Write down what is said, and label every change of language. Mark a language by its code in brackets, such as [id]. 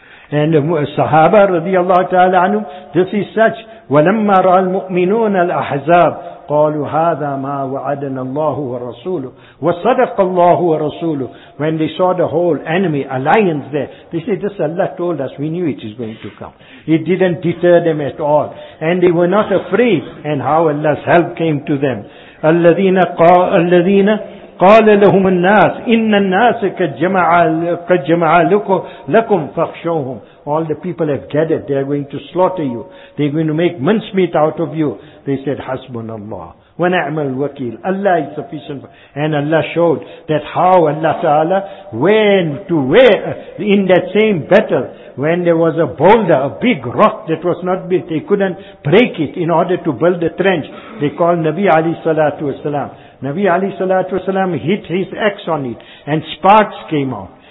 [en] And the Sahaba radiallahu ta'ala anhum, this is such, [ar] وَلَمَّا رَأَى الْمُؤْمِنُونَ الْأَحْزَابِ قَالُوا هَذَا مَا وَعَدَنَ اللَّهُ وَرَسُولُهُ وَصَدَقَ اللَّهُ وَرَسُولُهُ. [en] When they saw the whole enemy alliance there, they said, this Allah told us, we knew it is going to come. It didn't deter them at all. And they were not afraid. And how Allah's help came to them. [ar] الَّذِينَ قال لهم الناس إن الناس كجمع لكم فخشوهم. [en] All the people have gathered. They are going to slaughter you. They are going to make mincemeat out of you. They said, [ar] حسبنا الله ونعم الوكيل. [en] Allah is sufficient. And Allah showed that how Allah Ta'ala went to where in that same battle when there was a boulder, a big rock that was not built. They couldn't break it in order to build a trench. They called Nabi Ali Salatu Wasalam. Nabi alayhi salatu wasalam hit his axe on it and sparks came out.